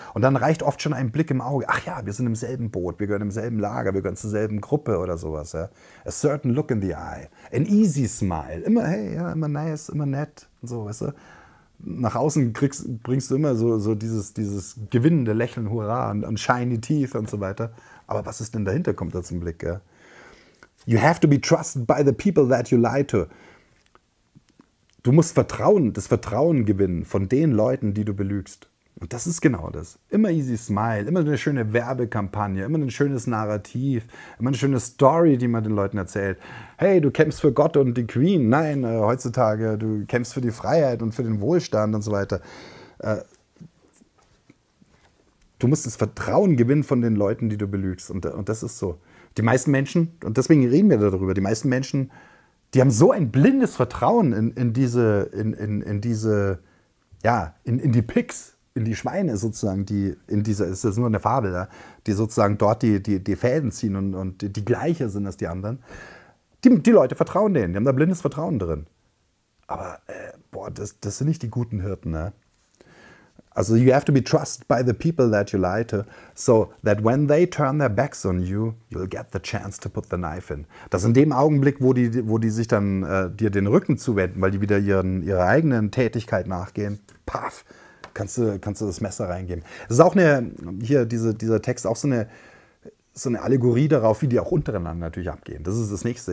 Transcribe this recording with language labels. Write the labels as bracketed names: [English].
[German] Und dann reicht oft schon ein Blick im Auge, ach ja, wir sind im selben Boot, wir gehören im selben Lager, wir gehören zur selben Gruppe oder sowas. Ja. [English] A certain look in the eye, an easy smile, [German] immer hey, ja, immer nice, immer nett und so, weißt du. Nach außen bringst du immer so dieses gewinnende Lächeln, Hurra und [English] shiny teeth [German] und so weiter. Aber was ist denn dahinter, kommt da zum Blick, gell? [English] You have to be trusted by the people that you lie to. [German] Du musst das Vertrauen gewinnen von den Leuten, die du belügst. Und das ist genau das. Immer easy smile, immer eine schöne Werbekampagne, immer ein schönes Narrativ, immer eine schöne Story, die man den Leuten erzählt. Hey, du kämpfst für Gott und die Queen. Nein, heutzutage, du kämpfst für die Freiheit und für den Wohlstand und so weiter. Du musst das Vertrauen gewinnen von den Leuten, die du belügst. Und das ist so. Die meisten Menschen, und deswegen reden wir darüber, die meisten Menschen, die haben so ein blindes Vertrauen in die Pigs. In die Schweine sozusagen, die in dieser, ist das nur eine Fabel, ja? Die sozusagen dort die Fäden ziehen und die gleicher sind als die anderen. Die Leute vertrauen denen, die haben da blindes Vertrauen drin. Aber, das sind nicht die guten Hirten. Ne? [English] Also, you have to be trusted by the people that you lie to, so that when they turn their backs on you, you'll get the chance to put the knife in. [German] Dass in dem Augenblick, wo die sich dann dir den Rücken zuwenden, weil die wieder ihrer eigenen Tätigkeit nachgehen, paff, kannst du das Messer reingeben. Es ist auch dieser Text, auch so eine Allegorie darauf, wie die auch untereinander natürlich abgehen. Das ist das Nächste.